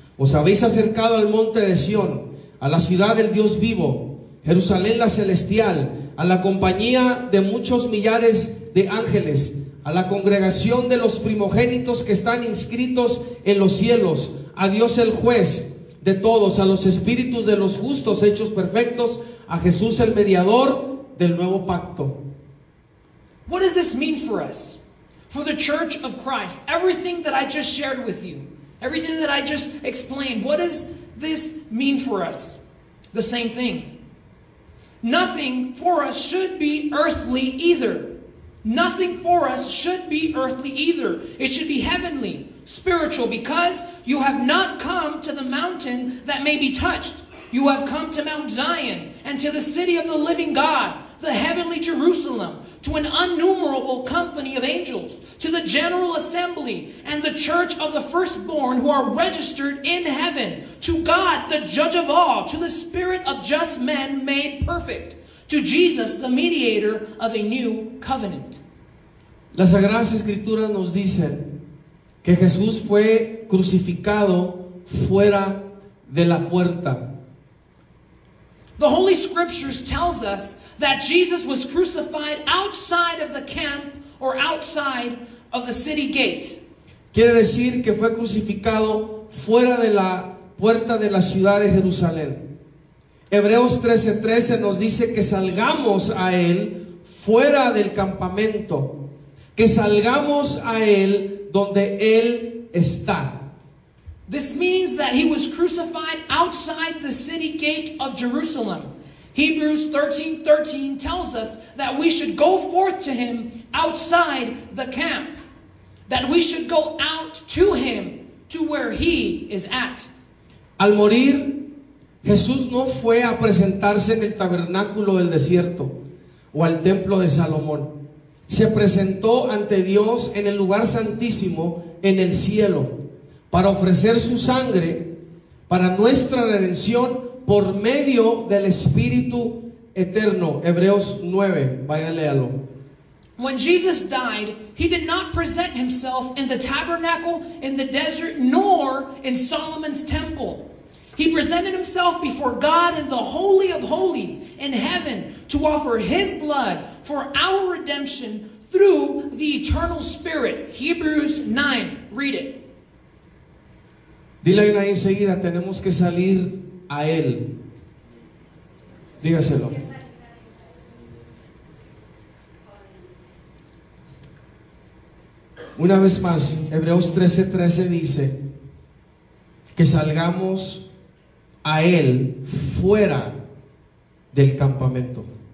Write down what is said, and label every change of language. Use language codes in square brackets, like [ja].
[es] Os habéis acercado al monte de Sion, a la ciudad del Dios vivo, Jerusalén la celestial, a la compañía de muchos millares de ángeles, a la congregación de los primogénitos que están inscritos en los cielos, a Dios el juez de todos, a los espíritus de los justos hechos perfectos, a Jesús el mediador del nuevo pacto. [en] What does this mean for us? For the church of Christ, everything that I just shared with you, everything that I just explained, what does this mean for us? The same thing. Nothing for us should be earthly either. Nothing for us should be earthly either. It should be heavenly, spiritual, because you have not come to the mountain that may be touched. You have come to Mount Zion and to the city of the living God, the heavenly Jerusalem, to an innumerable company of angels, to the general assembly and the church of the firstborn who are registered in heaven, to God, the judge of all, to the spirit of just men made perfect, to Jesus, the mediator of a new covenant. [es] Las Sagradas Escrituras nos dicen que Jesús fue crucificado fuera de la puerta. [en] The Holy Scriptures tells us that Jesus was crucified outside of the camp or outside of the city gate. [es] Quiere decir que fue crucificado fuera de la puerta de la ciudad de Jerusalén. Hebreos 13:13 nos dice que salgamos a él fuera del campamento, que salgamos a él donde él está. [en] This means that he was crucified outside the city gate of Jerusalem. Hebrews 13:13 tells us that we should go forth to him outside the camp, that we should go out to him to where he is at. [es] Al morir, Jesús no fue a presentarse en el tabernáculo del desierto o al templo de Salomón. Se presentó ante Dios en el lugar santísimo en el cielo para ofrecer su sangre para nuestra redención por medio del Espíritu Eterno. Hebreos 9, vaya léalo. [en] When Jesus died, he did not present himself in the tabernacle in the desert, nor in Solomon's temple. He presented himself before God in the Holy of Holies in heaven to offer his blood for our redemption through the eternal spirit. Hebrews 9, read it. [es] Dile a alguien enseguida, tenemos que salir a él. Dígaselo. Una vez más, Hebreos 13:13 dice que salgamos a él fuera del campamento.